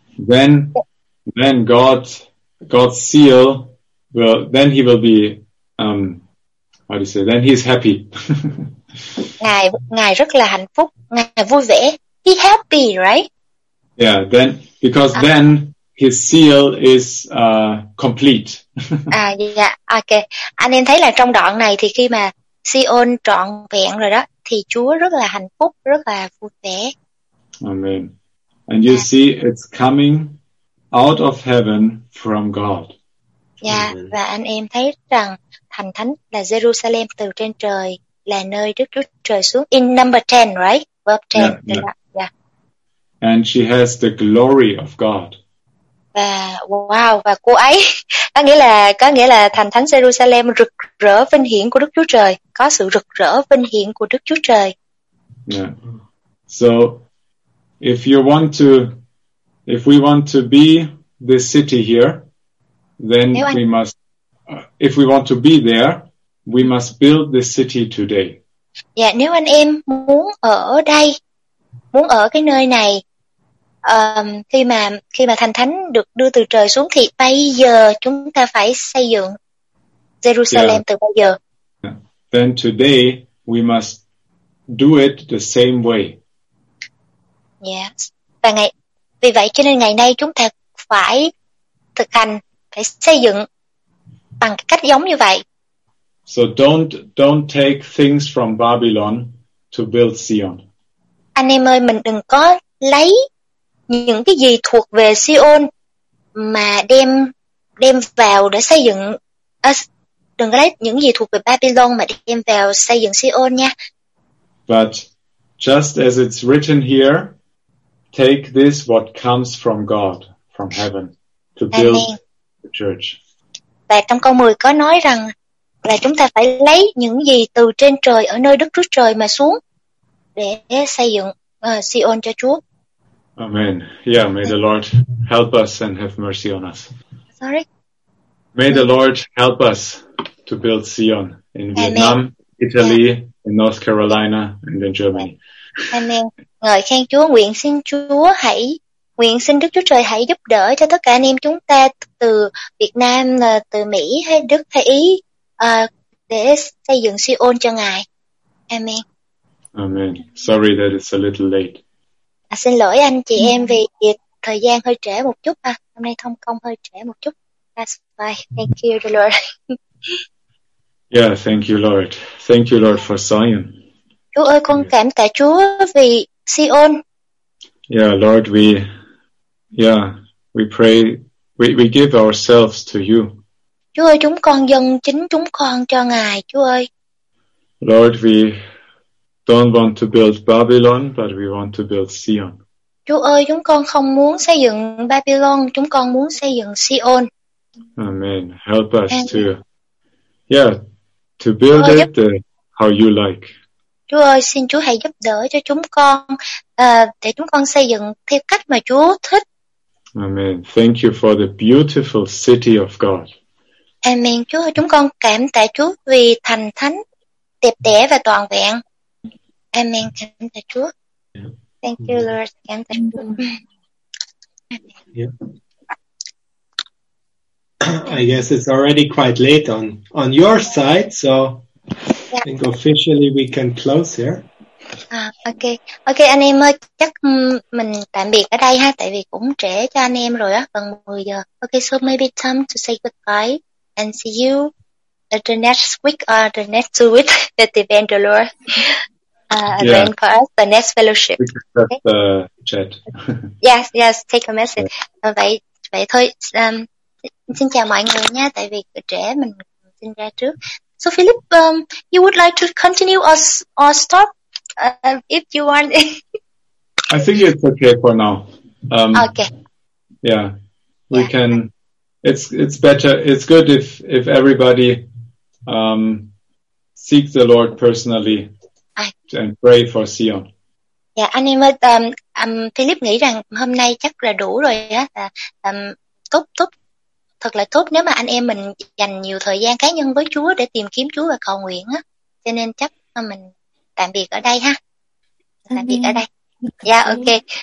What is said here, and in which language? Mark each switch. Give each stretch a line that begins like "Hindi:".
English: then God's seal will, then he will be how do you say, then he's happy.
Vietnamese: ngài rất là hạnh phúc, ngài vui vẻ,
English: he happy, right? Yeah, then because then his seal is complete.
Vietnamese: Okay, anh em thấy là trong đoạn này thì khi mà Sion trọn vẹn rồi đó thì Chúa rất là hạnh phúc, rất là vui vẻ.
English: Amen. And you see, it's coming out of heaven from God.
Vietnamese: Yeah, và anh em thấy rằng thành thánh là Jerusalem từ trên trời, là nơi Đức Chúa Trời xuống.
English: In number 10, right? Verb 10. Yeah. And she has the glory of God.
Vietnamese: Và wow, và cô ấy có nghĩa là thành thánh Jerusalem rực rỡ vinh hiển của Đức Chúa Trời, có sự rực rỡ vinh hiển của Đức Chúa Trời.
English: Yeah. So if we want to be this city here, then if we want to be there, we must build this city today.
Vietnamese: Dạ, nếu anh em muốn ở đây, muốn ở cái nơi này, khi mà thành thánh được đưa từ trời xuống thì bây giờ chúng ta phải xây dựng Jerusalem. Yeah. Từ bây giờ.
English: Then today we must do it the same way. Yes.
Vietnamese: Và ngày vì vậy cho nên ngày nay chúng ta phải thực hành, phải xây dựng bằng cách giống như vậy.
English: So don't take things from Babylon to build Zion.
Vietnamese: Anh em ơi, mình đừng có lấy những cái gì thuộc về Sion mà đem vào để xây dựng đừng có lấy những gì thuộc về Babylon mà đem vào xây dựng Sion nha.
English: But just as it's written here, take this what comes from God, from heaven, to build the church.
Vietnamese: Và trong câu 10 có nói rằng là chúng ta phải lấy những gì từ trên trời ở nơi Đức Chúa Trời mà xuống để xây dựng Sion cho Chúa.
English: Amen. Yeah, may the Lord help us and have mercy on us. Sorry. May the Lord help us to build Sion in Vietnam, Amen. Italy, yeah. in North Carolina, and in Germany. Amen.
Vietnamese: Ngợi khen Chúa, nguyện xin Đức Chúa Trời hãy giúp đỡ cho tất cả anh em chúng ta từ Việt Nam, từ Mỹ, hay Đức, hay Ý để xây dựng Sion cho Ngài.
English: Amen. Amen. Sorry that it's a little late.
Vietnamese: Xin lỗi anh chị em vì thời gian hơi trễ một chút ha. Hôm nay thông công hơi trễ một chút.
English: That's why. Thank you, the Lord. Yeah, thank you, Lord. Thank you, Lord, for Zion.
Vietnamese: Chúa ơi, con cảm tạ Chúa vì Sion.
English: Yeah, Lord, we pray, we give ourselves to you.
Vietnamese: Chúa ơi, chúng con dâng chính chúng con cho Ngài, Chúa ơi.
English: Lord, we don't want to build Babylon, but we want to build Sion.
Vietnamese: Chúa ơi, chúng con không muốn xây dựng Babylon, chúng con muốn xây dựng Sion.
English: Amen. Help us to build it how you like.
Vietnamese: Chúa ơi, xin Chúa hãy giúp đỡ cho chúng con để chúng con xây dựng theo cách mà Chúa thích.
English: Amen. Thank you for the beautiful city of God. Amen.
Vietnamese: Chúa ơi, chúng con cảm tạ Chúa vì thành thánh đẹp đẽ và toàn vẹn. Amen. Cảm tạ Chúa.
English: Thank you, Lord.
Vietnamese: Cảm tạ Chúa.
English: I guess it's already quite late on your side, so I think officially we can close here.
Vietnamese: Okay, anh em ơi, chắc mình tạm biệt ở đây ha, tại vì cũng trễ cho anh em rồi á, gần 10 giờ.
English: Okay, so maybe time to say goodbye and see you the next week or the next 2 weeks at the event, the Lord. Then for us, the next fellowship. We can have the chat. yes, take a message. Yeah.
Vietnamese: Vậy thôi, xin chào mọi người nha, tại vì trẻ mình xin ra trước.
English: So Philip, you would like to continue or stop if you want? I think it's okay for now. Okay. Yeah, we can. It's better. It's good if everybody seek the Lord personally and pray for Sion.
Vietnamese: Yeah, anh em ơi, Philip nghĩ rằng hôm nay chắc là đủ rồi á. Tốt. Thật là tốt nếu mà anh em mình dành nhiều thời gian cá nhân với Chúa để tìm kiếm Chúa và cầu nguyện á. Cho nên chắc mình tạm biệt ở đây ha. Tạm biệt ở đây.
English: Yeah, okay.